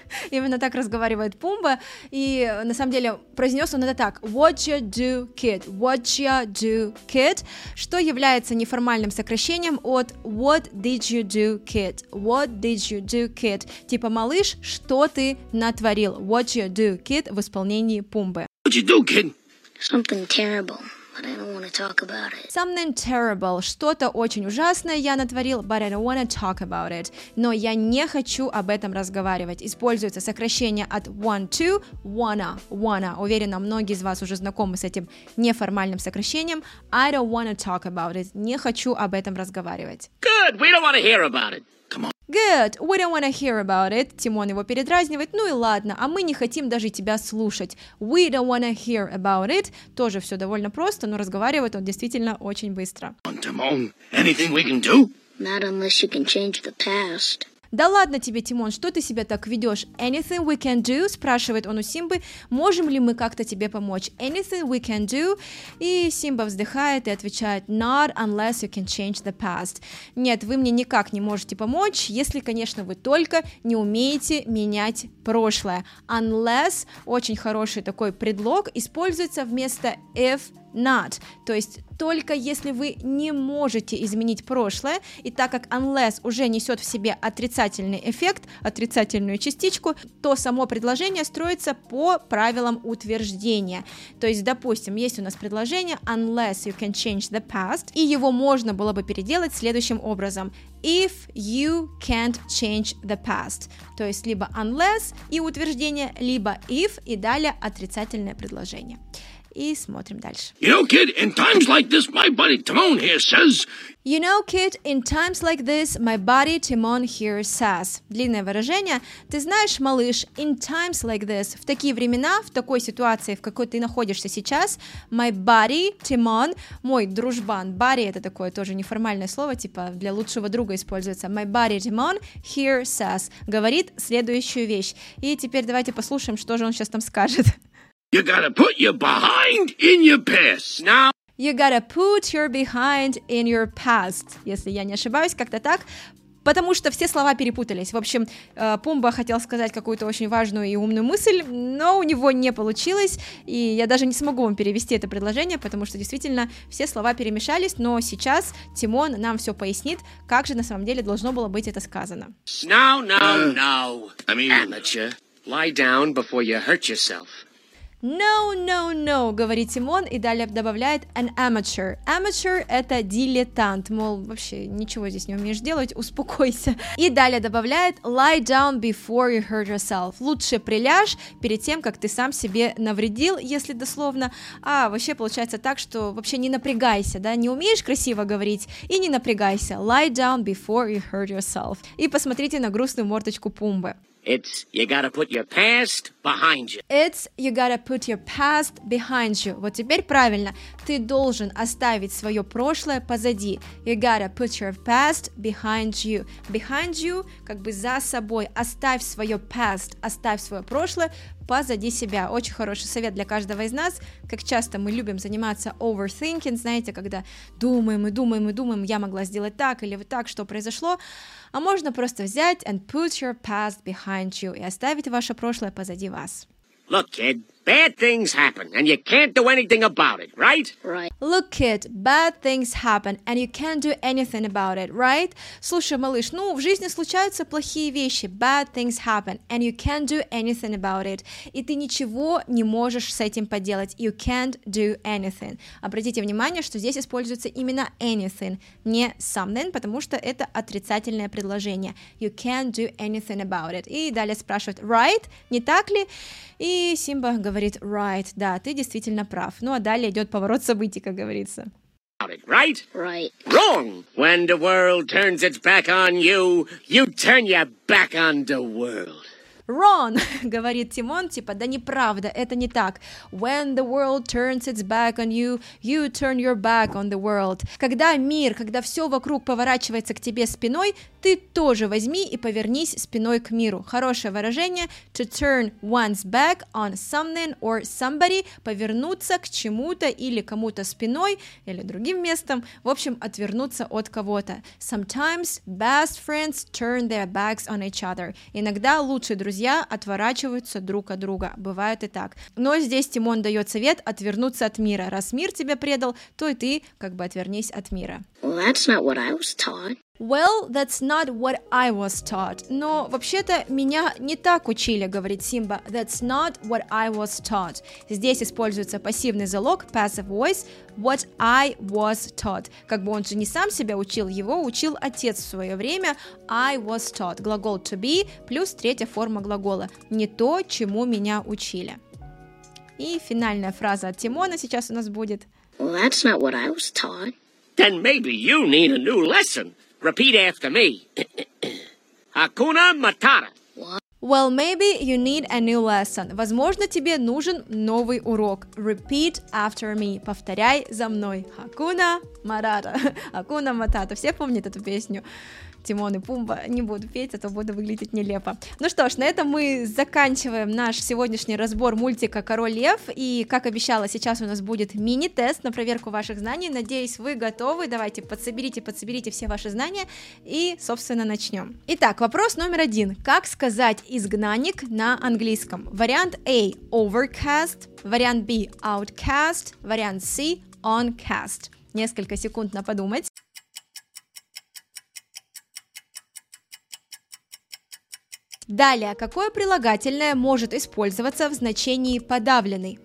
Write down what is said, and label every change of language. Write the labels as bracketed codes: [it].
[ru] Именно так разговаривает Пумба. И на самом деле произнес он это так. [en] What you do, kid? What you do, kid? [ru] Что является неформальным сокращением от [en] What did you do, kid? What did you do, kid? [ru] Типа, малыш, что ты натворил? [en] What you do, kid? [ru] В исполнении Пумбы. [en] What you do, kid? Something terrible. But I don't want to talk about it. Something terrible. [ru] Что-то очень ужасное я натворил, [en] but I don't want to talk about it. [ru] Но я не хочу об этом разговаривать. Используется сокращение от want to, wanna, wanna. Уверена, многие из вас уже знакомы с этим неформальным сокращением. [en] I don't want to talk about it. [ru] Не хочу об этом разговаривать. [en] Good, we don't want to hear about it. Good, we don't wanna hear about it. [ru] Тимон его передразнивает. Ну и ладно, а мы не хотим даже тебя слушать. [en] We don't wanna hear about it. [ru] Тоже все довольно просто, но разговаривает он действительно очень быстро. [en] Тимон, anything we can do? Not unless you can change the past. [ru] Да ладно тебе, Тимон, что ты себя так ведешь? [en] Anything we can do, [ru] спрашивает он у Симбы, можем ли мы как-то тебе помочь? [en] Anything we can do? [ru] И Симба вздыхает и отвечает, [en] not unless you can change the past. [ru] Нет, вы мне никак не можете помочь, если, конечно, вы только не умеете менять прошлое. Unless — очень хороший такой предлог, используется вместо if not, то есть только если вы не можете изменить прошлое, и так как unless уже несет в себе отрицательный эффект, отрицательную частичку, то само предложение строится по правилам утверждения. То есть, допустим, есть у нас предложение [en] unless you can change the past, [ru] и его можно было бы переделать следующим образом. [en] If you can't change the past. [ru] То есть либо unless и утверждение, либо if и далее отрицательное предложение. И смотрим дальше. [en] You know, kid, in times like this, my buddy Timon here says... You know, kid, in times like this, my buddy Timon here says. [ru] Длинное выражение. Ты знаешь, малыш, [en] in times like this, [ru] в такие времена, в такой ситуации, в какой ты находишься сейчас, [en] my buddy Timon, [ru] мой дружбан, buddy — это такое тоже неформальное слово, типа для лучшего друга используется, [en] my buddy Timon here says, [ru] говорит следующую вещь. И теперь давайте послушаем, что же он сейчас там скажет. [en] You gotta put your behind in your past. Now. You gotta put your behind in your past. [ru] Если я не ошибаюсь, как-то так. Потому что все слова перепутались. В общем, Пумба хотел сказать какую-то очень важную и умную мысль, но у него не получилось, и я даже не смогу вам перевести это предложение, потому что действительно все слова перемешались, но сейчас Тимон нам все пояснит, как же на самом деле должно было быть это сказано. [en] Now, now, now. I mean, amateur. Lie down before you hurt yourself. No, no, no, [ru] говорит Тимон и далее добавляет [en] an amateur. [ru] Amateur – это дилетант, мол, вообще ничего здесь не умеешь делать, успокойся. И далее добавляет [en] lie down before you hurt yourself. [ru] Лучше приляжь перед тем, как ты сам себе навредил, если дословно. А вообще получается так, что вообще не напрягайся, да, не умеешь красиво говорить и не напрягайся. [en] Lie down before you hurt yourself. [ru] И посмотрите на грустную мордочку Пумбы. [en] It's you gotta put your past behind you. It's you gotta put your past behind you. [ru] Вот теперь правильно. Ты должен оставить свое прошлое позади. [en] You gotta put your past behind you. Behind you, [ru] как бы за собой. Оставь свое past, оставь свое прошлое позади себя. Очень хороший совет для каждого из нас. Как часто мы любим заниматься overthinking, знаете, когда думаем и думаем и думаем, я могла сделать так или вот так, что произошло. А можно просто взять [en] and put your past behind you [ru] и оставить ваше прошлое позади вас. [en] Look, kid, bad things happen and you can't do anything about it, right? Right. Look, kid, bad things happen and you can't do anything about it, right? [ru] Слушай, малыш, ну, в жизни случаются плохие вещи. [en] Bad things happen and you can't do anything about it. [ru] И ты ничего не можешь с этим поделать. [en] You can't do anything. [ru] Обратите внимание, что здесь используется именно anything, не something, потому что это отрицательное предложение. [en] You can't do anything about it. [ru] И далее спрашивают, [en] right? [ru] Не так ли? И Симба говорит, right, да, ты действительно прав. Ну а далее идет поворот событий, как говорится. [en] Right? Right. Wrong! When the world turns its back on you, you turn your back on the world. [ru] Wrong, говорит Тимон, типа, да неправда, это не так. [en] When the world turns its back on you, you turn your back on the world. [ru] Когда мир, когда все вокруг поворачивается к тебе спиной, ты тоже возьми и повернись спиной к миру. Хорошее выражение, [en] to turn one's back on something or somebody, [ru] повернуться к чему-то или кому-то спиной, или другим местом, в общем, отвернуться от кого-то. [en] Sometimes best friends turn their backs on each other. [ru] Иногда лучшие друзья отворачиваются друг от друга, бывает и так. Но здесь Тимон дает совет отвернуться от мира. Раз мир тебя предал, то и ты как бы отвернись от мира. [en] Well, that's not what I was taught. Well, that's not what I was taught. [ru] Но вообще-то меня не так учили, говорит Симба. [en] That's not what I was taught. [ru] Здесь используется пассивный залог, [en] passive voice, what I was taught. [ru] Как бы он же не сам себя учил, его учил отец в свое время. [en] I was taught. [ru] Глагол to be плюс третья форма глагола. Не то, чему меня учили. И финальная фраза от Тимона сейчас у нас будет. [en] Well, that's not what I was taught. Then maybe you need a new lesson. Repeat after me. Hakuna Matata. Well, maybe you need a new lesson. [ru] Возможно, тебе нужен новый урок. [en] Repeat after me. [ru] Повторяй за мной. Hakuna Matata. Hakuna Matata. Все помнят эту песню? Тимон и Пумба, не буду петь, а то буду выглядеть нелепо. Ну что ж, на этом мы заканчиваем наш сегодняшний разбор мультика «Король Лев». И, как обещала, сейчас у нас будет мини-тест на проверку ваших знаний. Надеюсь, вы готовы. Давайте, подсоберите все ваши знания и, собственно, начнем. Итак, вопрос номер один. Как сказать «изгнанник» на английском? Вариант A – overcast, вариант B – outcast, вариант C – oncast. Несколько секунд на подумать. Далее, какое прилагательное может использоваться в значении подавленный?